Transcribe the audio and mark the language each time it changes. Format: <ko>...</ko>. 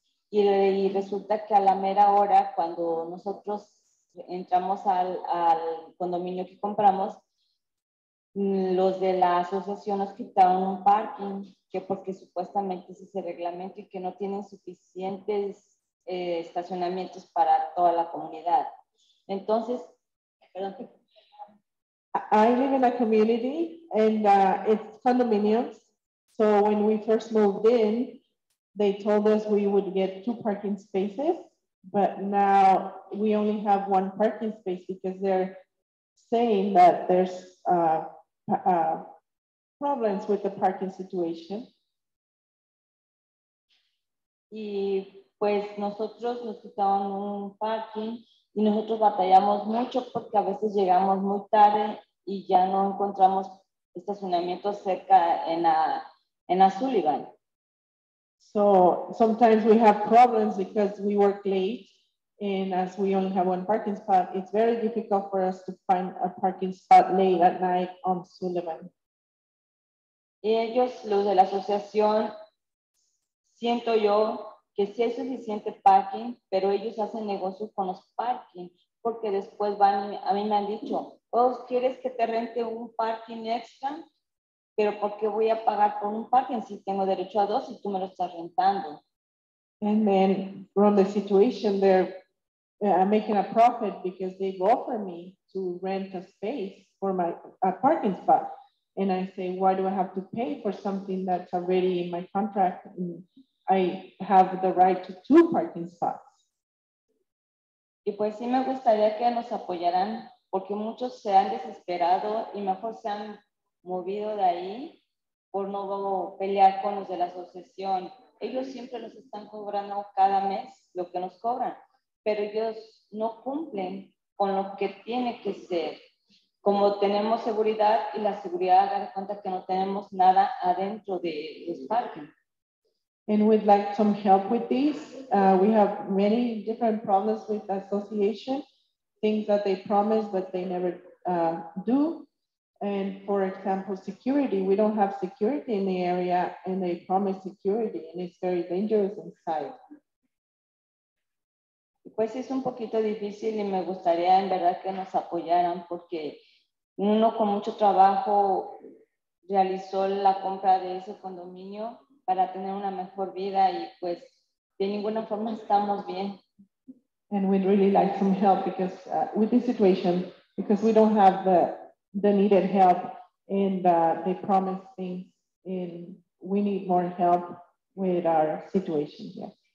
<es>Y resulta que a la mera hora, cuando nosotros entramos al condominio que compramos, los de la asociación nos quitaron un parking, que porque supuestamente ese es el reglamento y que no tienen suficientes estacionamientos para toda la comunidad. Entonces, perdón.</es> <en>I live in a community and it's condominiums. So when we first moved in, they told us we would get two parking spaces, but now we only have one parking space because they're saying that there's problems with the parking situation.</en> <es>Y pues nosotros nos quitaban un parking y nosotros batallamos mucho porque a veces llegamos muy tarde y ya no encontramos estacionamiento cerca en Sullivan.</es> <en>So sometimes we have problems because we work late, and as we only have one parking spot, it's very difficult for us to find a parking spot late at night on Sullivan.</en> <es>Ellos, los de la asociación, siento yo que sí hay suficiente parking, pero ellos hacen negocios con los parking, porque después van, a mí me han dicho, oh, ¿quieres que te rente un parking extra? Pero ¿por qué voy a pagar por un parking si tengo derecho a dos y tú me lo estás rentando?</es> <en>And then from the situation, they're making a profit because they've offered me to rent a space for my a parking spot. And I say, why do I have to pay for something that's already in my contract? And I have the right to two parking spots.</en> <es>Y pues sí me gustaría que nos apoyaran porque muchos se han desesperado y mejor se han movido de ahí por no pelear con los de la asociación. Ellos siempre nos están cobrando cada mes lo que nos cobran, pero ellos no cumplen con lo que tiene que ser. Como tenemos seguridad y la seguridad da cuenta que no tenemos nada adentro de los parking.</es> <en>And we'd like some help with this. We have many different problems with the association, things that they promise but they never do. And for example, security, we don't have security in the area and they promise security and it's very dangerous inside.</en> <es>Pues es un poquito difícil y me gustaría en verdad que nos apoyaran porque uno con mucho trabajo realizó la compra de ese condominio para tener una mejor vida y pues de ninguna forma estamos bien.</es> <en>And we'd really like some help because with this situation, because we don't have the needed help and they promise things and we need more help with our situation here. Yeah.</en>